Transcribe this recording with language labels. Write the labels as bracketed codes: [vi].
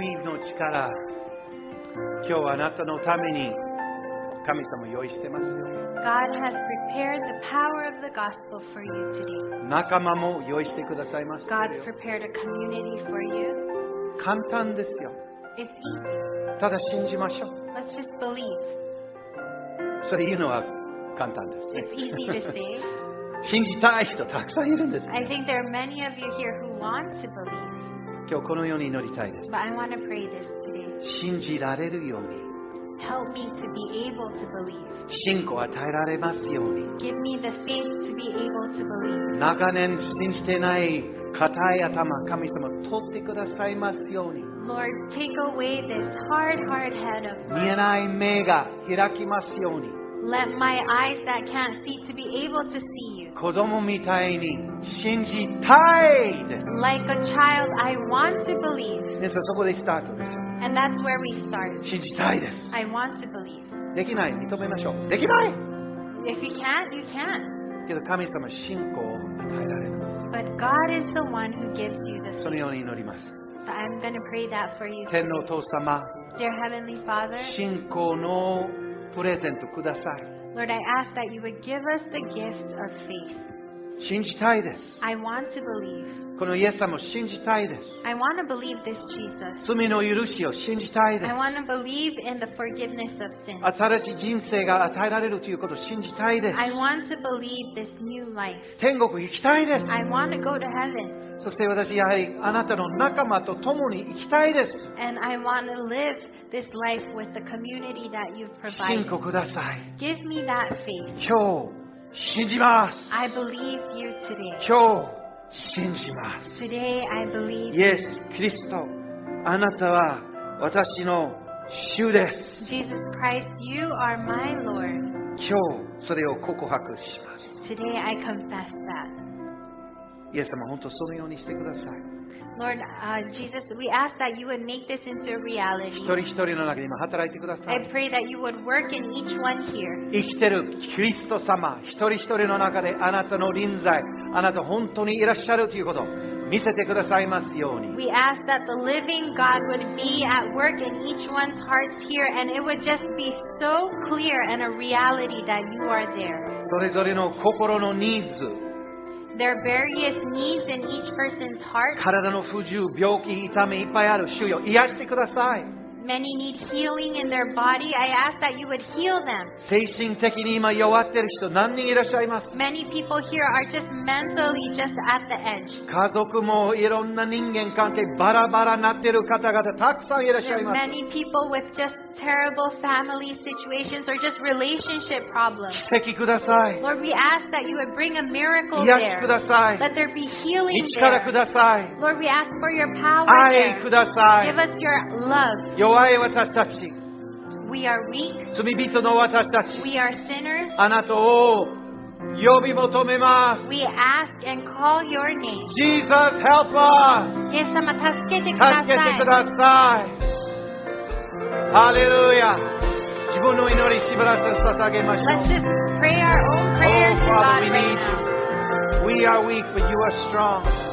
[ja] 今日はあなたのために神様用意してますよ。 [en] God has prepared the power of the gospel for you today. [ja] 仲間も用意してくださいます。 [en] God's prepared a community for you. [ja] 簡単ですよ。 [en] It's easy. [ja] ただ信じましょう。 [en] Let's just believe. [ja] それ言うのは簡単です、 [en] ね。It's easy to say. [ja] 信じたい人たくさんいるんです、ね。 [en] I think there are many of you here who want to believe. [ja] 今日このように祈りたいです。 [en] But I want to pray this today. [ja] 信じられるように。 [en] Help me to be able to believe. [ja] 信仰を与えられますように。 [en] Give me the faith to be able to believe. [ja] 長年信じてない硬い頭、神様取ってくださいますように。 [en] Lord, take away this hard head of mine. [ja] 見えない目が開きますように。 [en] Let my eyes that can't see to be able to see you. [ja] 子供みたいに信じたいです。 [en] Like a child, I want to believe. [ja] ね、そこでスタートでしょ。 [en] And that's where we start. [ja] 信じたいです。 [en] I want to believe. [ja] できない、認めましょう。できない。 [en] If you can't, you can't. [ja] けど神様信仰を与えられます。 [en] But God is the one who gives you the faith. [ja] そのように祈ります。 [en] So I'm going to pray that for you. [ja] 天のお父様。 [en] Dear Heavenly Father. [ja] 信仰のプレゼントください。 [en] Lord, I ask that you would give us the gift of faith. [ja] 信じたいです。 [en] I want to believe. [ja] このイエス様を信じたいです。 [en] I want to believe this Jesus. [ja] 罪の許しを信じたいです。 [en] I want to believe in the forgiveness of sins. [ja] 新しい人生が与えられるということを信じたいです。 [en] I want to believe this new life. [ja] 天国行きたいです。 [en] I want to go to heaven. [ja] そして私やはりあなたの仲間と共に行きたいです。 [en] And I want to live this life with the community that you've provided. [ja] 信仰ください。 [en] Give me that faith. [ja] 今日信じます。 [en] I believe you today. [ja] 今日信じます。 [en] Today I believe. Yes, Christ, [ja] あなたは私の主です。 [en] Jesus Christ, you are my Lord. [ja] 今日それを告白します。 [en] Today I confess that. [ja] イエス様、本当そのようにしてください。 [en] Lord, Jesus, we ask that you would make this into a reality. [ja] 一人一人の中に今働いてください。 [en] I pray that you would work in each one here. [ja] 生きてるキリスト様、一人一人の中であなたの臨在、あなた本当にいらっしゃるということを見せてくださいますように。 [en] We ask that the living God would be at work in each one's hearts here, and it would just be so clear and a reality that you are there. [ja] それぞれの心のニーズ。 [en] There are various needs in each person's heart. [ja] 体の不自由、病気、痛みいっぱいある。主よ、癒してください。 [en] Many need healing in their body. I ask that you would heal them. [ja] 精神的に今弱ってる人何人いらっしゃいます? [en] Many people here are just mentally just at the edge. [ja] 家族もいろんな人間関係バラバラになってる方々たくさんいらっしゃいます。 [en] Many people with just terrible family situations or just relationship problems. [ja] 奇跡ください。 [en] Lord, we ask that you would bring a miracle there. [ja] 癒してください。 [en] Let there be healing there. [ja] 力からください。 [en] Lord, we ask for your power there. [ja] 愛ください。 [en] Give us your love. [ja] 弱い私たち、 [en] We are weak. [ja] 罪人の私たち、 [en] We are sinners. [ja] あなたを呼び求めます。 [en] We ask and call your name. Jesus, help us. [ja] イエス様、助けてください。助けてください。ハレルヤ。自分の祈りしばらく捧げましょう。 [en] Let's just pray our own prayers to God right now. Oh, Father, we need you. We are weak, but you are strong.